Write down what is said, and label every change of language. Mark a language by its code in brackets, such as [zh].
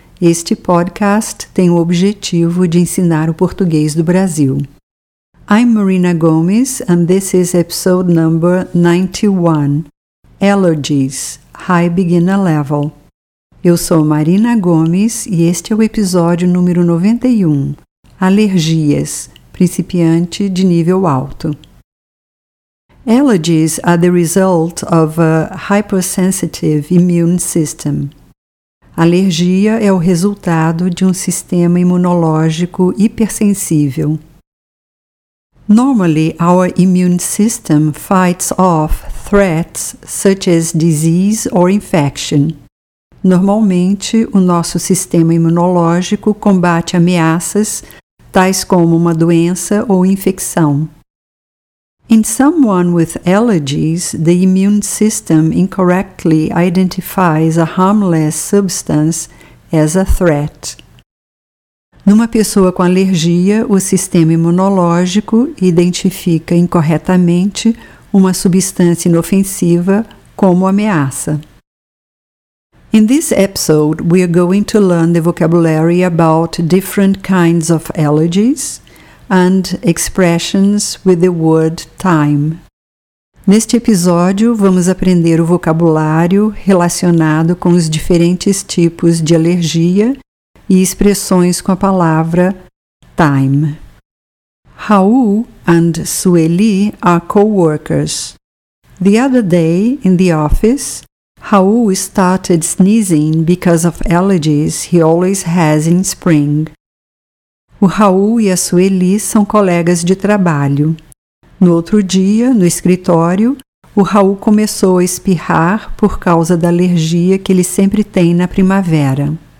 [pt] Este podcast tem o objetivo de ensinar o português do Brasil. [en] I'm Marina Gomes, and this is episode number 91, Allergies, High Beginner Level. [pt] Eu sou Marina Gomes, e este é o episódio número 91, Alergias, Principiante de Nível Alto. [en] Allergies are the result of a hypersensitive immune system. [pt] Alergia é o resultado de um sistema imunológico hipersensível. [en] Normally, our immune system fights off threats such as disease or infection. [pt] Normalmente, o nosso sistema imunológico combate ameaças tais como uma doença ou infecção. [en] In someone with allergies, the immune system incorrectly identifies a harmless substance as a threat. [pt] Numa pessoa com alergia, o sistema imunológico identifica incorretamente uma substância inofensiva como ameaça. [en] In this episode, we are going to learn the vocabulary about different kinds of allergies and expressions with the word thyme. [pt] Neste episódio, vamos aprender o vocabulário relacionado com os diferentes tipos de alergia e expressões com a palavra thyme. [en] Raul and Sueli are co-workers. The other day, in the office, Raul started sneezing because of allergies he always has in spring. [pt] O Raul e a Sueli são colegas de trabalho. No outro dia, no escritório, o Raul começou a espirrar por causa da alergia que ele sempre tem na primavera.